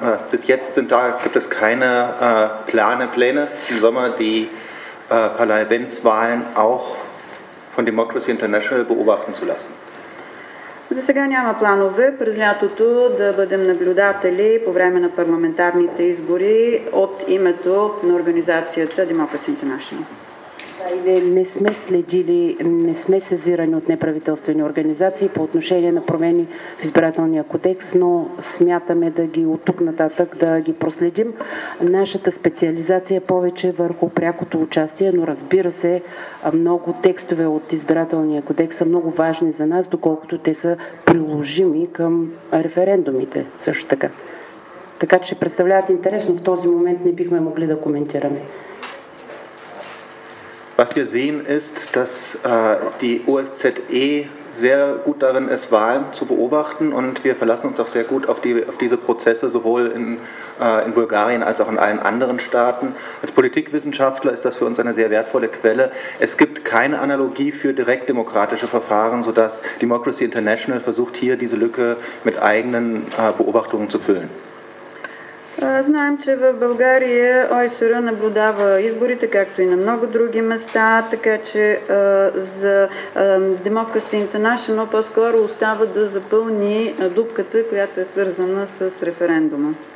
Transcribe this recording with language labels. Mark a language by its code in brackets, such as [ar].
[de] bis jetzt sind da, gibt es keine Pläne im Sommer die Parlamentswahlen auch von Democracy International beobachten zu lassen. [bg] За сега няма планове през лятото да бъдем наблюдатели по време на парламентарните избори от името на организацията Democracy International. Не сме следили, не сме сезирани от неправителствени организации по отношение на промени в избирателния кодекс, но смятаме да ги от тук нататък да ги проследим. Нашата специализация е повече върху прякото участие, но разбира се, много текстове от избирателния кодекс са много важни за нас, доколкото те са приложими към референдумите също така. Така че представляват интерес, но в този момент не бихме могли да коментираме. [de] Was wir sehen ist, dass die OSZE sehr gut darin ist, Wahlen zu beobachten und wir verlassen uns auch sehr gut auf diese Prozesse, sowohl in Bulgarien als auch in allen anderen Staaten. Als Politikwissenschaftler ist das für uns eine sehr wertvolle Quelle. Es gibt keine Analogie für direktdemokratische Verfahren, sodass Democracy International versucht, hier diese Lücke mit eigenen Beobachtungen zu füllen. [bg] Знаем, че в България ОИСР наблюдава изборите, както и на много други места, така че за Democracy International по-скоро остава да запълни дупката, която е свързана с референдума.